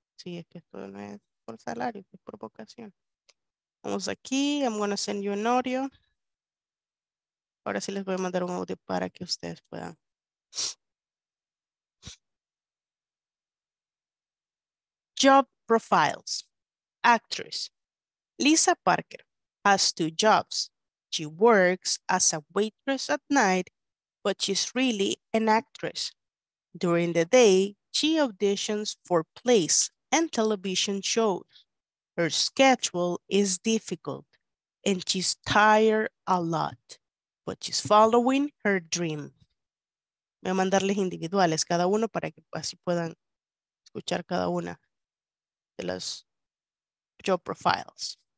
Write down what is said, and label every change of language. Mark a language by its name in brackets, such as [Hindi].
[Spanish] Sí, es que esto no es por salario, es por vocación. [English] Vamos aquí, I'm going to send you an audio. [Spanish] Ahora sí les voy a mandar un audio para que ustedes puedan. [English] Job profiles. Actress. Lisa Parker has two jobs. She works as a waitress at night, but she's really an actress. During the day, she auditions for plays and television shows. Her schedule is difficult and she's tired a lot, but she's following her dream. [Spanish] Voy a mandarles individuales cada uno para que así puedan escuchar cada una de las job profiles.